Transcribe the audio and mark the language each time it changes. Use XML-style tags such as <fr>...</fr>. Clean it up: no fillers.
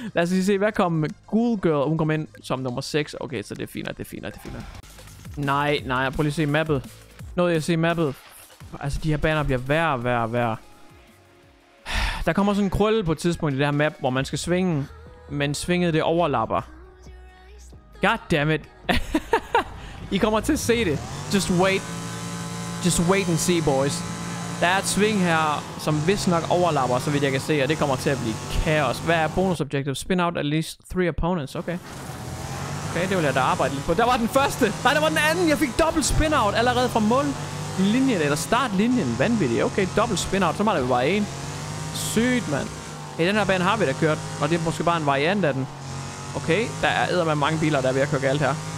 <da>Lad os lige se, hvad kom Ghoul Girl? Hun kom ind som nummer 6. Okay, så det er finere. Nej, prøv lige at se mappet. Nåede jeg at se mappet? Altså, de her baner bliver værre. Der kommer sådan en krølle på et tidspunkt i det her map, hvor man skal svinge. Men svinget, det overlapper.</da> <en>Goddammit.</en> <da>I kommer til at se det.</da> <en>Just wait and see, boys.</en> <da>Der er et sving her, som vist nok overlapper, så vidt jeg kan se, og det kommer til at blive kaos. Hvad er bonus objective?</da> <en>Spin out at least 3 opponents. Okay.</en> <da>Okay, det vil jeg da arbejde lidt på. Der var den første! Nej, der var den anden! Jeg fik dobbelt spin out allerede fra mål. Linjen, eller startlinjen. Vanvittigt. Okay, dobbelt spin out. Så mangler vi bare en. Sygt, mand. I den her bane har vi da kørt, og det er måske bare en variant af den. Okay, der er eddermame mange biler, der er ved at køre galt her.</da>